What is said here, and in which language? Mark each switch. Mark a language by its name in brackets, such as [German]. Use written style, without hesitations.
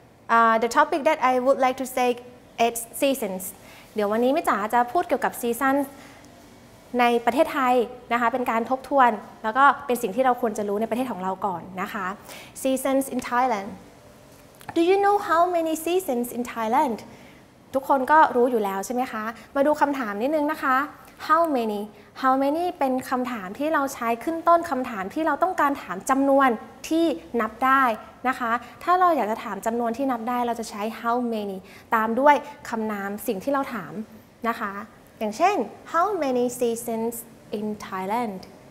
[English] The topic that I would like to say is seasons. [Thai] เดี๋ยววันนี้แม่จ๋าจะพูดเกี่ยวกับ seasons ในประเทศไทยนะคะเป็นการทบทวนแล้วก็เป็นสิ่งที่เราควรจะรู้ในประเทศของเราก่อนนะคะ [English] Seasons in Thailand. Do you know how many seasons in Thailand? [Thai] ทุกคนก็รู้อยู่แล้วใช่ไหมคะมาดูคำถามนิดนึงนะคะ How many เป็นคำถามที่เราใช้ขึ้นต้นคำถามที่เราต้องการถามจำนวนที่นับได้นะคะถ้าเราอยากจะถามจำนวนที่นับได้เราจะใช้ how many ตามด้วยคำนามสิ่งที่เราถามนะคะอย่างเช่น [English] how many seasons in Thailand